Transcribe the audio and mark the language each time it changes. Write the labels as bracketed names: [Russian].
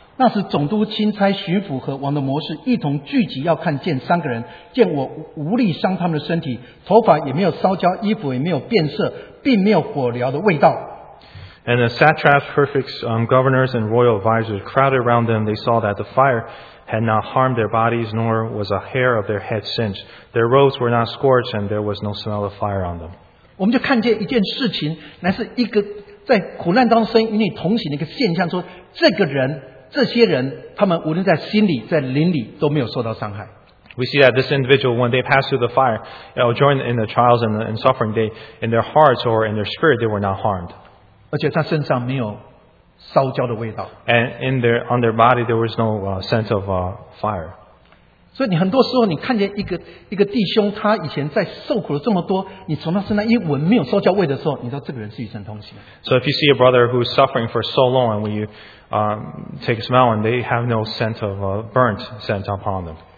[Chinese] 那是总督钦差巡抚和王的谋士一同聚集要看见三个人，见我无力伤他们的身体，头发也没有烧焦，衣服也没有变色，并没有火燎的味道。 [English] And the satraps, prefects, governors, and royal advisors crowded around them. They saw that the fire had not harmed their bodies, nor was a hair of their head singed. Their robes were not scorched, and there was no smell of fire on them. [Chinese] 我们就看见一件事情，乃是一个在苦难当中与你同行的一个现象，说这个人、这些人，他们无论在心里、在灵里都没有受到伤害。 [English] We see that this individual, when they passed through the fire, you know, joined in the trials and the and suffering, they, in their hearts or in their spirit, they were not harmed. [Chinese] 而且他身上没有烧焦的味道。 [English] And in their, on their body, there was no sense of fire. [Chinese] 所以你很多时候你看见一个弟兄他以前在受苦了这么多，你从他身上一闻没有烧焦味的时候，你知道这个人是与神同行。 [English] So if you see a brother who is suffering for so long and when you take a smell and they have no scent of burnt scent upon them.